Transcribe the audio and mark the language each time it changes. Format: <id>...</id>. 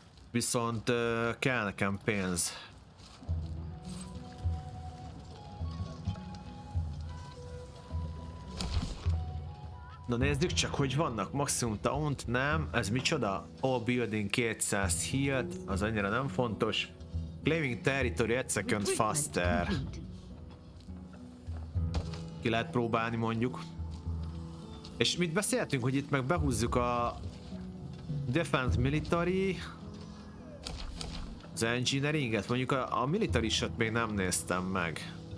<hu>Viszont kell nekem pénz. Na nézzük csak, hogy vannak maximum taunt, nem? Ez micsoda?</hu> <en>All building 200 healed,</en> <hu>az annyira nem fontos.</hu> <en>Claiming territory 1 second faster.</en> <hu>Ki lehet próbálni mondjuk. És mit beszéltünk, hogy itt meg behúzzuk a Defense Military, az Engineeringet, mondjuk a Militarisat még nem néztem meg.</hu>